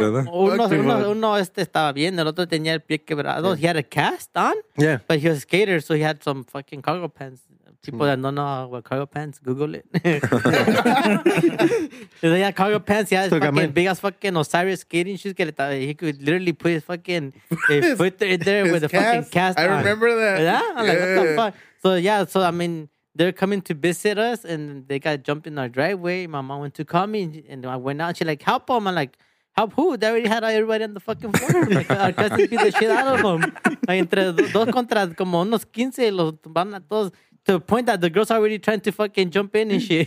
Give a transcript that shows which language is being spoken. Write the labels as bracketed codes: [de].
[es] Uno estaba bien, el otro tenía el pie quebrado. [en] Yeah. He had a cast on, yeah, but he was a skater, so he had some fucking cargo pants. People that don't know what cargo pants, Google it. So they had cargo pants. He had fucking big ass fucking Osiris skating shoes. He could literally put his fucking foot right there with the fucking cast on. I remember that. Yeah? So they're coming to visit us and they got jumped in our driveway. My mom went to call me and I went out. She's like, help them. I'm like, help who? They already had everybody on the fucking floor. Our cousin beat the shit out of them. [es] Entre dos contra como unos 15, los van a todos. [en] To the point that the girls are already trying to fucking jump in and shit.